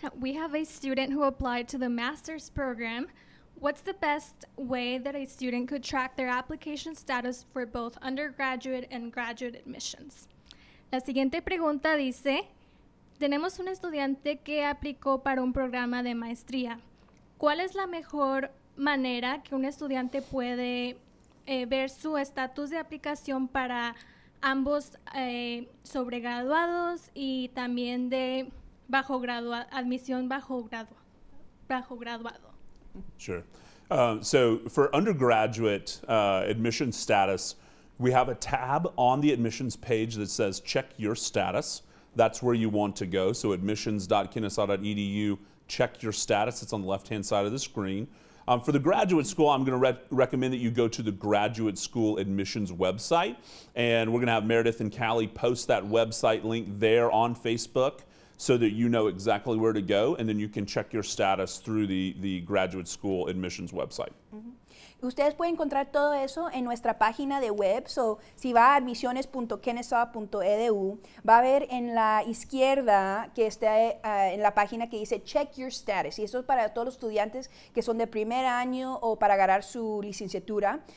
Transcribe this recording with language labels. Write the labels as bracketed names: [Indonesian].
[English] We have a student who applied to the master's program. What's the best way that a student could track their application status for both undergraduate and graduate admissions? [Spanish] La siguiente pregunta dice, tenemos un estudiante que aplicó para un programa de maestría. ¿Cuál es la mejor manera que un estudiante puede ver su estatus de aplicación para ambos sobregraduados y también de bajo admisión bajo graduado? [English] Sure. So for undergraduate admission status, we have a tab on the admissions page that says check your status. That's where you want to go. So admissions.kennesaw.edu, check your status. It's on the left-hand side of the screen. For the graduate school, I'm going to recommend that you go to the graduate school admissions website. And we're going to have Meredith and Callie post that website link there on Facebook, so that you know exactly where to go, and then you can check your status through the graduate school admissions website. [Spanish] Ustedes pueden encontrar todo eso en nuestra página de web. So, si va a admisiones.kennesaw.edu, va a ver en la izquierda que está en la página que dice Check Your Status. Y eso es para todos los estudiantes que son de primer año o para agarrar su licenciatura.